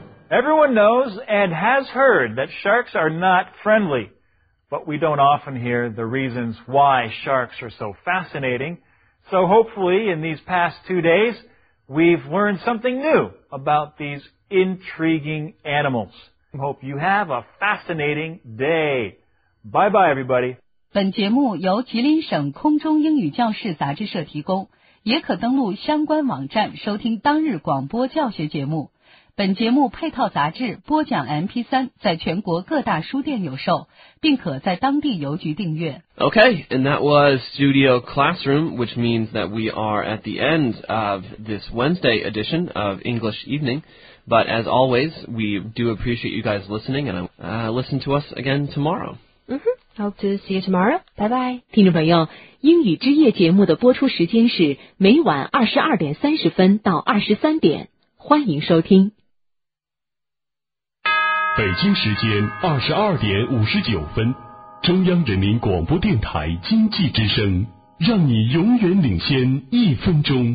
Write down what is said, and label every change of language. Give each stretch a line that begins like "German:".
English: Everyone knows and has heard that sharks are not friendly. But we don't often hear the reasons why sharks are so fascinating. So hopefully in these past 2 days, we've learned something new about these intriguing animals. Hope you have a fascinating day. Bye bye, everybody.
Chinese: 本节目由吉林省空中英语教室杂志社提供，也可登录相关网站收听当日广播教学节目。本节目配套杂志播讲 MP3 在全国各大书店有售，并可在当地邮局订阅。
English: Okay, and that was Studio Classroom, which means that we are at the end of this Wednesday edition of English Evening. But as always, we do appreciate you guys listening, and listen to us again tomorrow. Mm-hmm. Hope to see you tomorrow. Bye bye.
Chinese: 听众朋友，英语之夜节目的播出时间是每晚22:30到23:00，欢迎收听。北京时间22:59，中央人民广播电台经济之声，让你永远领先一分钟。